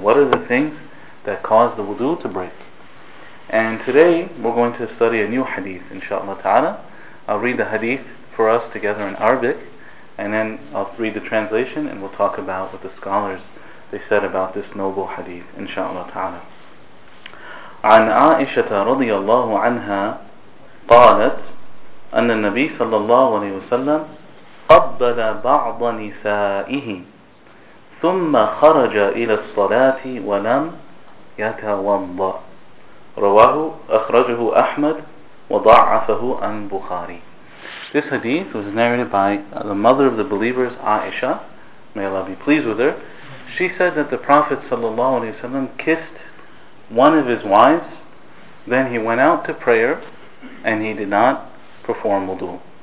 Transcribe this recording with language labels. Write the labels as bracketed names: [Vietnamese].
[English] What are the things that cause the wudu to break? And today we're going to study a new hadith, inshaAllah ta'ala. I'll read the hadith for us together in Arabic, and then I'll read the translation, and we'll talk about what the scholars, they said about this noble hadith, inshaAllah ta'ala. [Arabic] عن عائشة رضي الله عنها قالت أن النبي صلى الله عليه وسلم قبل بعض نسائه ثم خرج إلى الصلاة ولم يتوضأ. رواه أخرجه أحمد وضعفه عن بخاري. [English] This hadith was narrated by the mother of the believers, Aisha, may Allah be pleased with her. She said that the Prophet [Arabic] صلى الله عليه وسلم [English] kissed one of his wives, then he went out to prayer and he did not perform wudu.